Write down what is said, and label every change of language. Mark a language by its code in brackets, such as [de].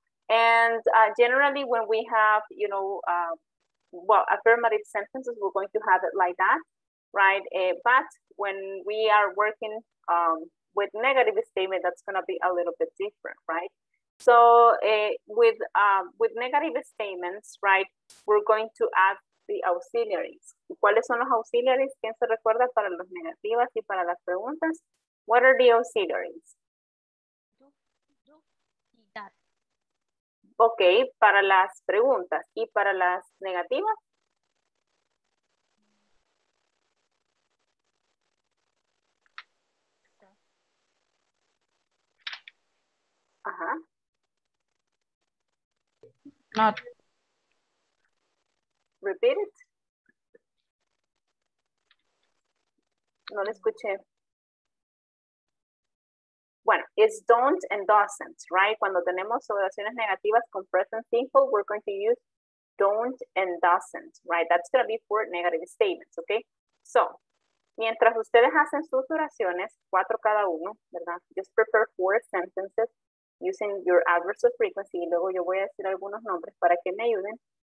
[en] And generally when we have, you know, affirmative sentences, we're going to have it like that, right? But when we are working with negative statement, that's gonna be a little bit different, right? So with negative statements, right, we're going to add the auxiliaries. [es] ¿Cuáles son los auxiliaries? ¿Quién se recuerda para las negativas y para las preguntas? [en] What are the auxiliaries? Do y that. [es] Okay, para las preguntas. ¿Y para las negativas? Ajá. [en] Not. Repeat it. [es] No le escuché. Bueno, [en] it's don't and doesn't, right? [es] Cuando tenemos oraciones negativas con [en] present simple, we're going to use don't and doesn't, right? That's going to be for negative statements, okay? [es] So, mientras ustedes hacen sus oraciones, cuatro cada uno, ¿verdad? [en] Just prepare four sentences using your adverbs of frequency. [es] Y luego yo voy a decir algunos nombres para que me ayuden.